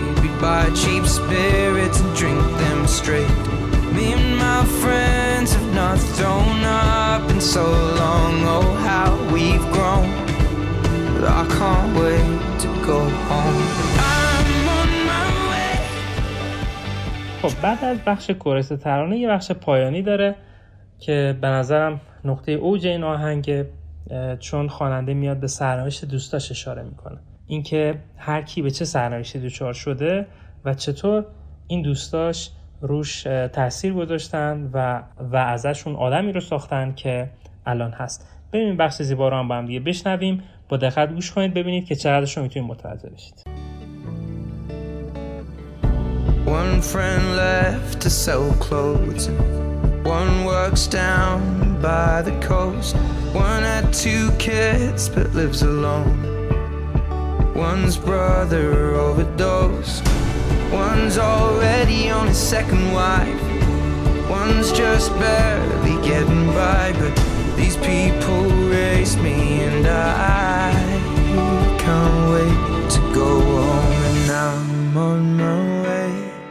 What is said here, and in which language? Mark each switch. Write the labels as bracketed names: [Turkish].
[English] We'd buy cheap spirits and drink them straight. Me and my friends have not thrown up in so long. Oh, how we've grown. But I can't wait to go home. I'm on my way. [Persian] خب بعد از بخش کورس ترانه یه بخش پایانی داره که به نظرم نقطه اوج این آهنگه، چون خواننده میاد به سرنوشت دوستاش اشاره میکنه، اینکه هر کی به چه سرنوشتی دچار شده و چطور این دوستاش روش تأثیر گذاشتن و ازشون آدمی رو ساختن که الان هست. ببینیم بخش زیبا رو هم با هم دیگه بشنویم، با دقت گوش کنید ببینید که چقدرش رو میتونید متوجه بشید. [English] One friend left to sell clothes, one works down by the coast, one had two kids but lives alone, one's brother overdosed, one's already on his second wife, one's just barely getting by, but these people race me and I can't wait to go home and I'm on my way.